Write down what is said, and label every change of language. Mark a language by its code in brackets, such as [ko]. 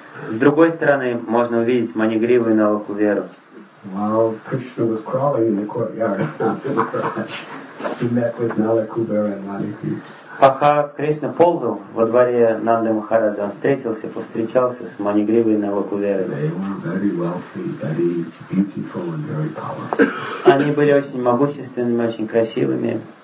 [ru] С другой стороны, можно увидеть Манигриву и Налакуверу. [en] While Krishna was crawling in the courtyard after the crash, he met with Nalakubera and Manigriva. [ru] Пока Кришна ползал во дворе Нанды Махараджа, он встретился, повстречался с Манигривой и Налакуверой. [en] They were very wealthy, very beautiful and very powerful. [ru] Они были очень могущественными, очень красивыми.